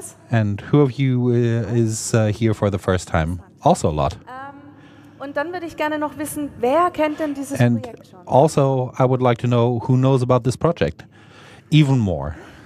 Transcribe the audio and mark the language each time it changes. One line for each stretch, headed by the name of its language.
English: And who of you is here for the first time? Also a lot.
German: Und dann würde ich gerne noch wissen, wer kennt denn dieses
English: and
German: Projekt schon?
English: Also, I would like to know who knows about this project even more.